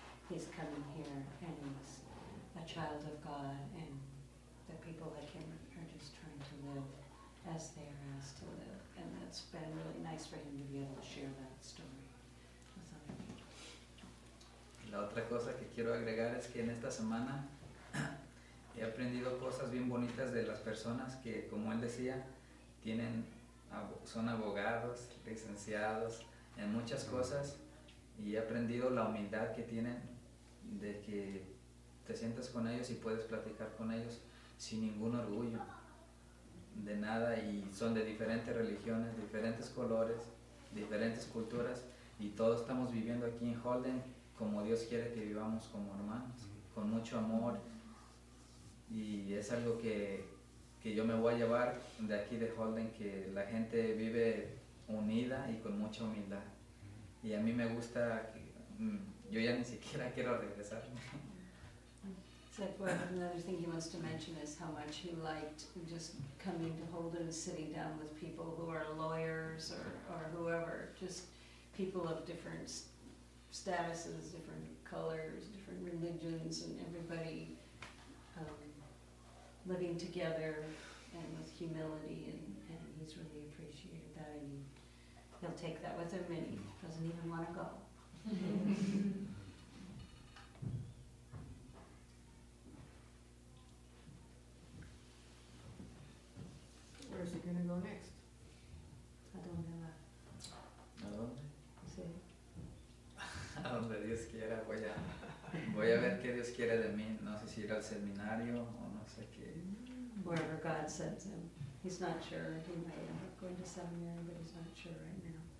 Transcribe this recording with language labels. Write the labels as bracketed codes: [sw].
[en] He's coming here and he's a child of God, and the people like him are just trying to live as they are asked to live. And that's been really nice for him to be able to share that story. [es] La otra cosa que quiero agregar es que en esta semana he aprendido cosas bien bonitas de las personas que, como él decía, son abogados, licenciados en muchas cosas, y he aprendido la humildad que tienen, de que te sientas con ellos y puedes platicar con ellos sin ningún orgullo de nada, y son de diferentes religiones, diferentes colores, diferentes culturas, y todos estamos viviendo aquí en Holden como Dios quiere que vivamos, como hermanos, con mucho amor. Y es algo que yo me voy a llevar de aquí de Holden, que la gente vive unida y con mucha humildad. Y a mí me gusta, yo ya ni siquiera quiero regresar. [en] Another thing he wants to mention is how much he liked just coming to Holden, sitting down with people who are lawyers or whoever, just people of different statuses, different colors, different religions, and everybody living together and with humility, and he's really appreciated that, and he'll take that with him, and he doesn't even want to go. Where is he going to go next? [es] A donde va. A donde? Sí. A donde Dios quiera, voy a ver qué Dios quiere de mí. No sé si ir al seminario o no sé qué. [en] Wherever God sends him. He's not sure. He might end up going to seminary, but he's not sure right now.